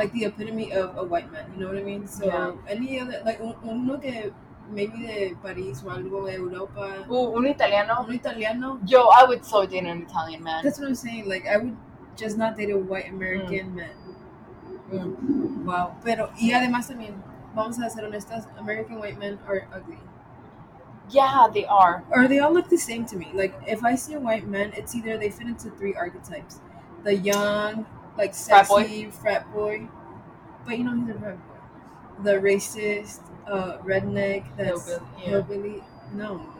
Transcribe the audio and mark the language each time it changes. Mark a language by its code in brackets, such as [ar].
[en] Like, the epitome of a white man, you know what I mean? So, yeah. Any other, like, [es] uno que maybe de París o algo de Europa. Ooh, un italiano. Un italiano. [en] Yo, I would so date an Italian man. That's what I'm saying. Like, I would just not date a white American man. Mm. Wow. [es] Pero, y además también, vamos a ser honestas, [en] American white men are ugly. Yeah, they are. Or they all look the same to me. Like, if I see a white man, it's either they fit into three archetypes. The young, like, sexy, frat boy. But you know he's a frat boy. The racist, redneck, that's hillbilly. Yeah. No.